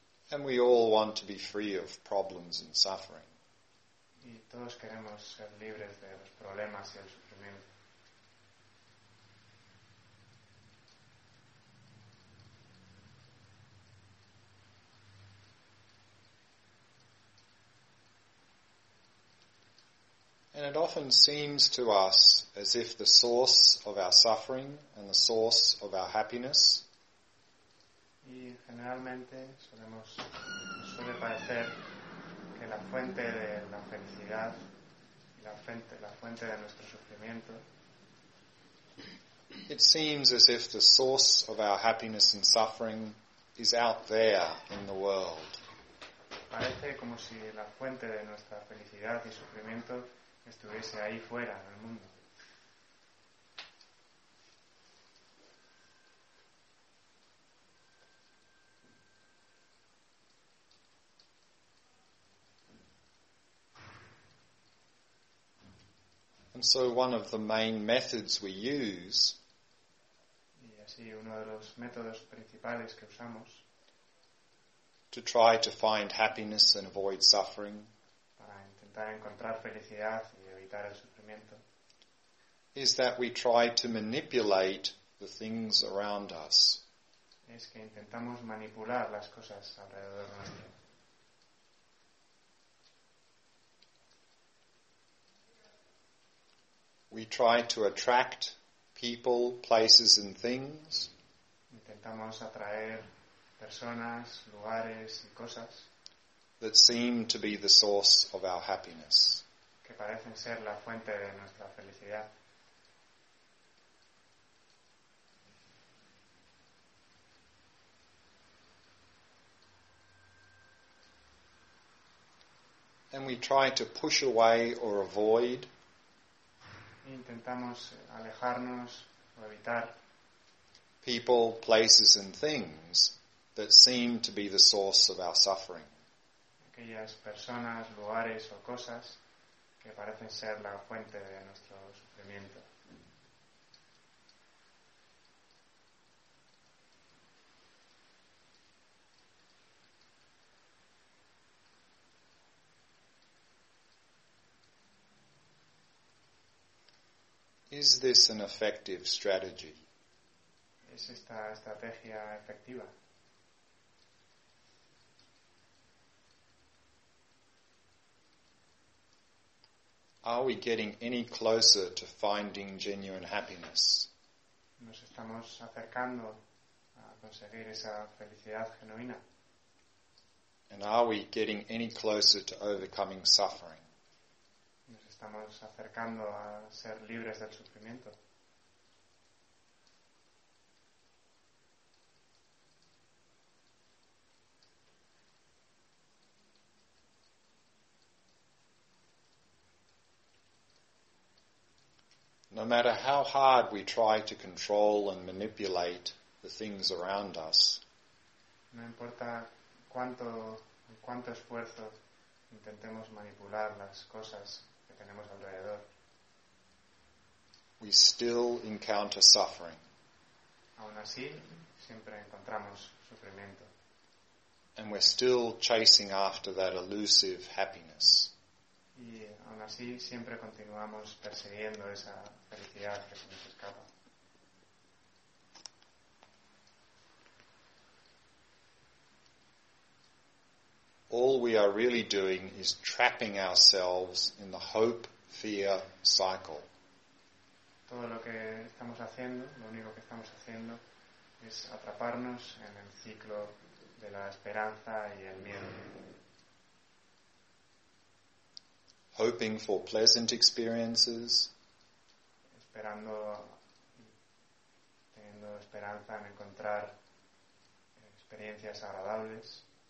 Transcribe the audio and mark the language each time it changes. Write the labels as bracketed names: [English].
[English] And we all want to be free of problems and suffering. [Spanish] Y todos queremos ser libres de los problemas y el sufrimiento. [English] And it often seems to us as if the source of our suffering and the source of our happiness [Spanish] y generalmente solemos suele parecer que la fuente de la felicidad y la fuente de nuestro sufrimiento [English] it seems as if the source of our happiness and suffering is out there in the world. [Spanish] Parece como si la fuente de nuestra felicidad y sufrimiento estuviese ahí fuera, en el mundo. [English] And so one of the main methods we use, [Spanish] y así uno de los métodos principales que usamos, [English] to try to find happiness and avoid suffering, [Spanish] para intentar encontrar felicidad y evitar el sufrimiento, [English] is that we try to manipulate the things around us. [Spanish] Es que intentamos manipular las cosas alrededor nuestro. [English] We try to attract people, places and things. [Spanish] Intentamos atraer personas, lugares y cosas [English] that seem to be the source of our happiness. [Spanish] Que parecen ser la fuente de nuestra felicidad. [English] And we try to push away or avoid. [Spanish] Intentamos alejarnos o evitar [English] people, places and things that seem to be the source of our suffering. [Spanish] Aquellas personas, lugares o cosas que parecen ser la fuente de nuestro sufrimiento. [English] Is this an effective strategy? [Spanish] ¿Es esta estrategia efectiva? [English] Are we getting any closer to finding genuine happiness? [Spanish] ¿Nos estamos acercando a conseguir esa felicidad genuina? [English] And are we getting any closer to overcoming suffering? [Spanish] Nos estamos acercando a ser libres del sufrimiento. [English] No matter how hard we try to control and manipulate the things around us, [Spanish] no importa cuánto esfuerzo intentemos manipular las cosas que tenemos alrededor, [English] we still encounter suffering. [Spanish] Aún así, siempre encontramos sufrimiento. [English] And we're still chasing after that elusive happiness. [Spanish] Y aún así, siempre continuamos persiguiendo esa felicidad que se nos escapa. [English] All we are really doing is trapping ourselves in the hope-fear cycle. [Spanish] Todo lo que estamos haciendo, lo único que estamos haciendo, es atraparnos en el ciclo de la esperanza y el miedo. [English] Hoping for pleasant experiences. [Spanish] Esperando, teniendo esperanza en encontrar experiencias agradables.